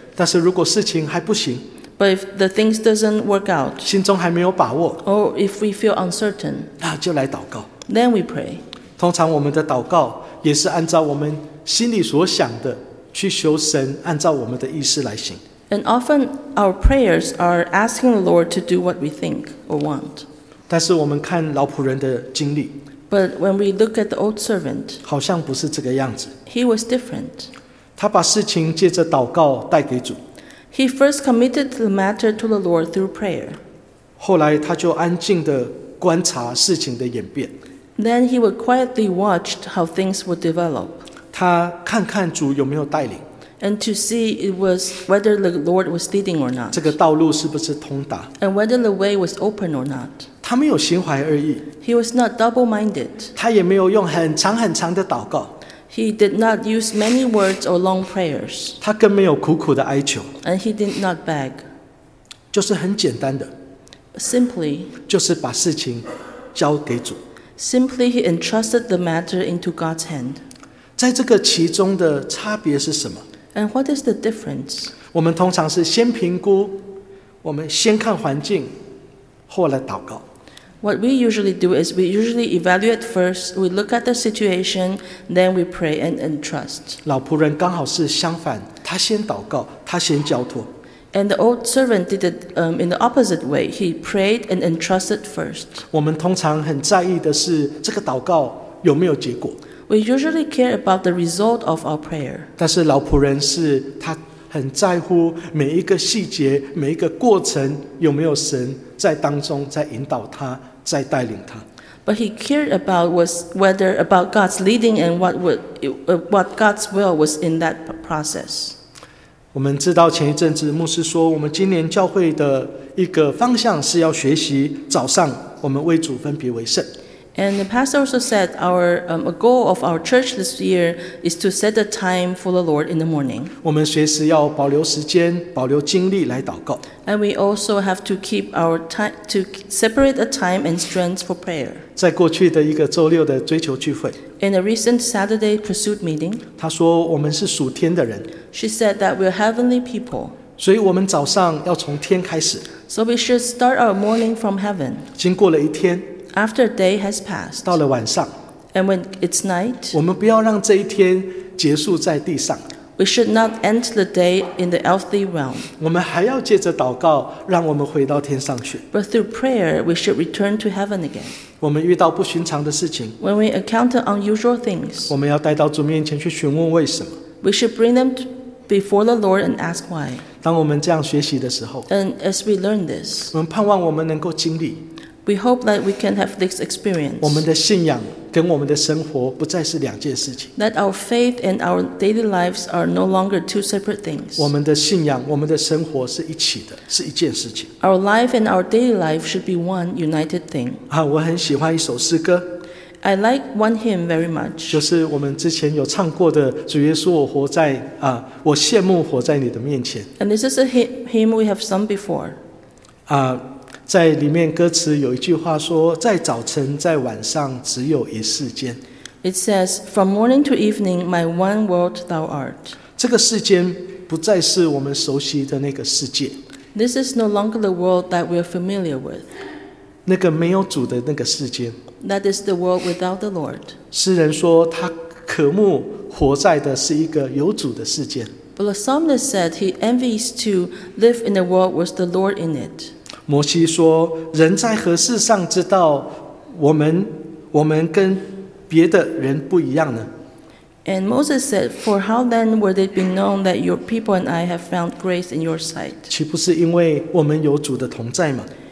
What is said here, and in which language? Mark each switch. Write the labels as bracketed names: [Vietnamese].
[Chinese] 但是如果事情还不行。 [English] But if the things doesn't work out. [Chinese] 心中还没有把握。 [English] Or if we feel uncertain. [Chinese] 那就来祷告。 [English] Then we pray. [Chinese] 通常我们的祷告也是按照我们心里所想的去求神按照我们的意思来行。 [English] And often our prayers are asking the Lord to do what we think or want. [Chinese] 但是我们看老仆人的经历。 [English] But when we look at the old servant. [Chinese] 好像不是这个样子。 [English] He was different. [Chinese] 他把事情借着祷告带给主。 [English] He first committed the matter to the Lord through prayer. [Chinese] 后来他就安静地观察事情的演变。 [English] Then he would quietly watch how things would develop. [Chinese] 他看看主有没有带领。 [English] And to see it was whether the Lord was leading or not. [Chinese] 这个道路是不是通达。 [English] And whether the way was open or not. [Chinese] 他没有心怀恶意。 [English] He was not double-minded. [Chinese] 他也没有用很长很长的祷告。 [English] He did not use many words or long prayers. [Chinese] 他更没有苦苦的哀求。 [English] And he did not beg. [Chinese] 就是很简单的。 [English] Simply. [Chinese] 就是把事情交给主。 [English] Simply, he entrusted the matter into God's hand. [Chinese] 在这个其中的差别是什么？ [English] And what is the difference? [Chinese] 我们通常是先评估，我们先看环境，后来祷告。 [English] What we usually do is we usually evaluate first, we look at the situation, then we pray and entrust. [Chinese] 老仆人刚好是相反，他先祷告，他先交托。 [English] And the old servant did it in the opposite way. He prayed and entrusted first. [Chinese] 我们通常很在意的是这个祷告有没有结果。 [English] We usually care about the result of our prayer. [Chinese] 但是老仆人是他很在乎每一个细节，每一个过程有没有神在当中在引导他，在带领他。 [English] But he cared about was whether about God's leading and what God's will was in that process. [Chinese] 我们知道前一阵子牧师说我们今年教会的一个方向是要学习早上我们为主分别为圣。 [English] And the pastor also said our a goal of our church this year is to set a time for the Lord in the morning. [Chinese] 我们随时要保留时间保留精力来祷告。 [English] And we also have to keep our time to separate a time and strength for prayer. [Chinese] 在过去的一个周六的追求聚会。 [English] In a recent Saturday pursuit meeting. [Chinese] 他说我们是属天的人。 [English] She said that we're heavenly people. [Chinese] 所以我们早上要从天开始。 [English] So we should start our morning from heaven. [Chinese] 经过了一天。 [English] After a day has passed, [Chinese] 到了晚上, [English] and when it's night, [Chinese] 我们不要让这一天结束在地上。 [English] We should not end the day in the earthly realm. [Chinese] 我们还要借着祷告，让我们回到天上去。 [English] But through prayer, we should return to heaven again. [Chinese] 我们遇到不寻常的事情。 [English] When we encounter unusual things, [Chinese] 我们要带到主面前去询问为什么。 [English] We should bring them before the Lord and ask why. [Chinese] 当我们这样学习的时候, [English] and as we learn this, [Chinese] 我们盼望我们能够经历。 [English] We hope that we can have this experience. [Chinese] 我们的信仰跟我们的生活不再是两件事情。 [English] That our faith and our daily lives are no longer two separate things. [Chinese] 我们的信仰，我们的生活是一起的，是一件事情。 [English] Our life and our daily life should be one united thing. [Chinese] 啊，我很喜欢一首诗歌。 [English] I like one hymn very much. [Chinese] 就是我们之前有唱过的主耶稣，我活在啊，我羡慕活在你的面前。 [English] And this is a hymn we have sung before. 啊。 [Chinese] 在里面歌词有一句话说，在早晨在晚上只有一世间。 [English] It says, from morning to evening, my one world thou art. [Chinese] 这个世间不再是我们熟悉的那个世界。 [English] This is no longer the world that we are familiar with. [Chinese] 那个没有主的那个世间。 [English] That is the world without the Lord. [Chinese] 诗人说他渴慕活在的是一个有主的世间。 [English] But the psalmist said he envies to live in a world with the Lord in it. [Chinese] 摩西说，人在何事上知道我们跟别的人不一样呢？ [English] And Moses said, for how then would it be known that your people and I have found grace in your sight? [Chinese] 岂不是因为我们有主的同在吗？